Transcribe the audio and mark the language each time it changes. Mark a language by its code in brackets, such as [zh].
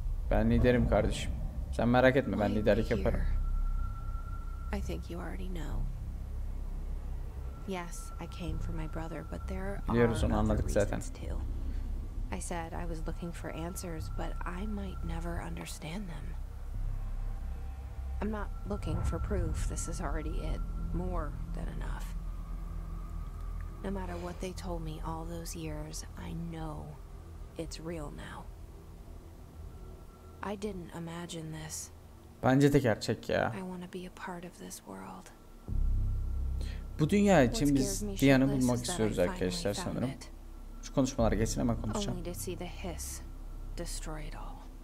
[tr] Ben liderim kardeşim. Sen merak etme, ben liderlik yaparım. [en] I think you already know. Yes, I came for my brother, but there are [tr] biliyoruz, onu anladık zaten. [en] I said I was looking for answers, but I might never understand them. I'm not looking for proof. This is already it. More than enough. No matter what they told me all those years, I know it's real now. I didn't imagine this. [tr] Bence de gerçek ya. [en] I want to be a part of this world. [tr] Bu dünya için biz Diana'yı bulmak istiyoruz arkadaşlar sanırım. Şu konuşmaları geçin, hemen konuşacağım. [en] Only to see the hiss destroy it all.